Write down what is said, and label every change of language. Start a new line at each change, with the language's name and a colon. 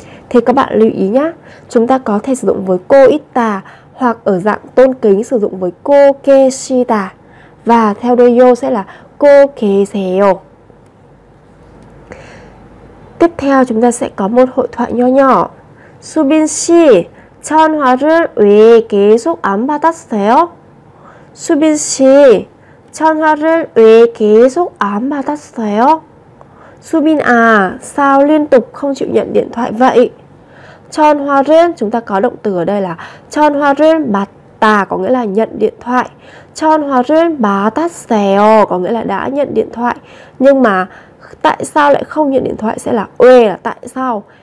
Vietnamese: Thì các bạn lưu ý nhé, chúng ta có thể sử dụng với 고 있다 hoặc ở dạng tôn kính sử dụng với 고 계시다 và theo đôi yo sẽ là 고 계세요. Tiếp theo chúng ta sẽ có một hội thoại nho nhỏ.
Korean: Subin 씨, 전화를 왜 계속 안 받았어요? Subin 씨, 전화를 왜 계속 안 받았어요?
Vietnamese: Subin à, sao liên tục không chịu nhận điện thoại vậy? 전화를, chúng ta có động từ ở đây là 전화를 받다 có nghĩa là nhận điện thoại.
Korean: 전화를 받았어요
Vietnamese: có nghĩa là đã nhận điện thoại. Nhưng mà tại sao lại không nhận điện thoại sẽ là 왜 là tại sao.